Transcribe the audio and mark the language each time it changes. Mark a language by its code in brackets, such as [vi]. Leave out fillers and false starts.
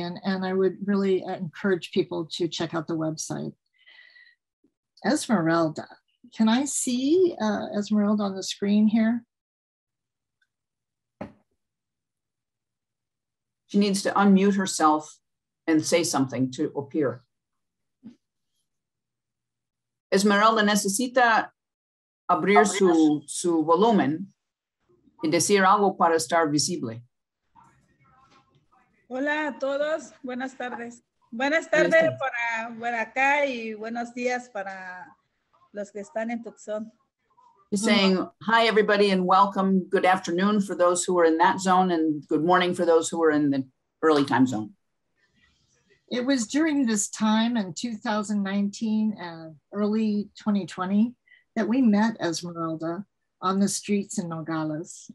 [en] And I would really encourage people to check out the website. Esmeralda, can I see Esmeralda on the screen here? She needs to unmute herself and say something to appear. [es] Esmeralda necesita abrir su volumen y decir algo para estar visible. Hola a todos, buenas tardes. Buenas tardes para acá y buenos días para los que están en Tucson. [en] He's saying, hi everybody and welcome. Good afternoon for those who are in that zone and good morning for those who are in the early time zone. It was during this time in 2019 and early 2020 that we met Esmeralda on the streets in Nogales.